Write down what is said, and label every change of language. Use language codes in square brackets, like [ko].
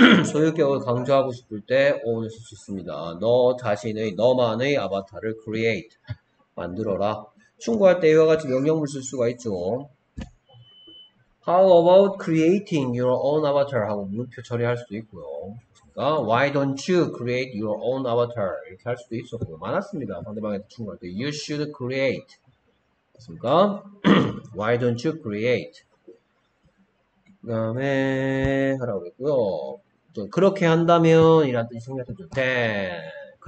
[ko] 소유격을 강조하고 싶을 때 on을 쓸 수 있습니다. 너 자신의 너만의 아바타를 create 만들어라. 충고할 때 이와 같이 명령을 쓸 수가 있죠. [en] How about creating your own avatar? [ko] 하고 물음표 처리할 수도 있고요. [en] 그러니까 Why don't you create your own avatar? [ko] 이렇게 할 수도 있었고요. 많았습니다. 상대방한테 충고할 때 [en] You should create. [ko] 됐습니까? [en] Why don't you create? [ko] 그 다음에 하라고 했고요. 그렇게 한다면 이란 뜻이 생겼죠. Then 그렇게